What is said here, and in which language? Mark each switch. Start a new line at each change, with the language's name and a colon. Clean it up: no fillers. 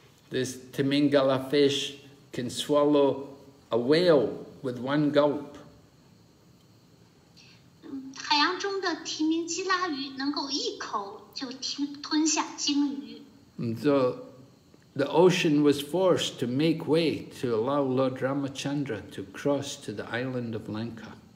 English: This timingala fish can swallow a whale with one gulp.
Chinese: 海洋中的提名基拉鱼能够一口就吞下鲸鱼。So
English: the ocean was forced to make way to allow Lord Ramachandra to cross to the island of Lanka.